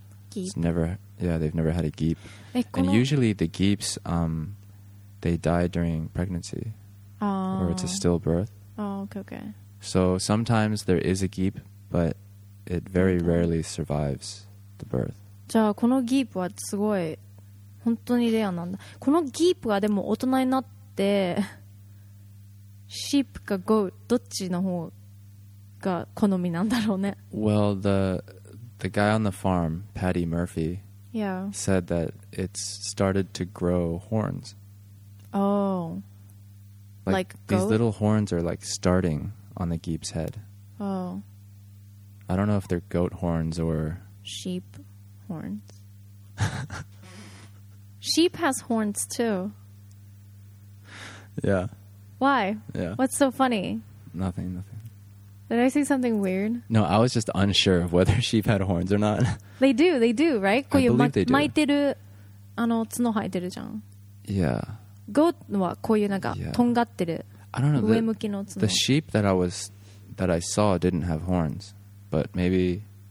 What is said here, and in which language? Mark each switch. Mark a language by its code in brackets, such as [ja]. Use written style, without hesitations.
[en] Geep. They've never had a geep. And usually the geeps, they die during pregnancy. Or it's a stillbirth. Oh, okay. So sometimes there is a geep, but it very rarely survives the birth. [ja] じゃあこのギープはすごい本当にレアなんだ。このギープがでも大人になってシープかゴーどっちの方が好みなんだろうね。 [en] Well, the guy on the farm, Paddy Murphy, said that it's started to grow horns. Oh. Like these little horns are like starting on the geep's head. Oh. I don't know if they're goat horns or... Sheep horns. Sheep has horns too. Yeah. Why? Yeah. What's so funny? Nothing, nothing. Did I say something weird? No, I was just unsure of whether sheep had horns or not. They do, right? I believe they do. [ja] 巻いてる、あの、角生えてるじゃん。 [en] Yeah. [ja] ゴートはこういうなんかとんがってる上向きの角。 [en] The sheep that I was that I saw didn't have horns, but maybe.